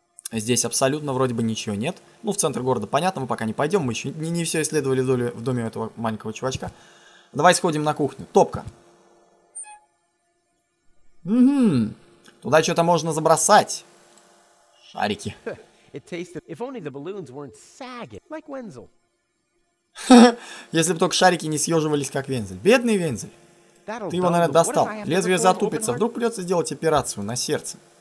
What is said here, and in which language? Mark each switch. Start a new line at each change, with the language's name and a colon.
Russian: Здесь абсолютно вроде бы ничего нет. Ну, в центр города, понятно, мы пока не пойдем. Мы еще не все исследовали в доме этого маленького чувачка. Давай сходим на кухню. Топка. Туда что-то можно забросать. Шарики.
English: It tasted... If only the balloons weren't sagging, like Wenzel.
Russian: Если бы только шарики не съеживались, как Вензель. Бедный Вензель. Ты его, наверное, достал. Лезвие затупится. Вдруг придется сделать операцию на сердце.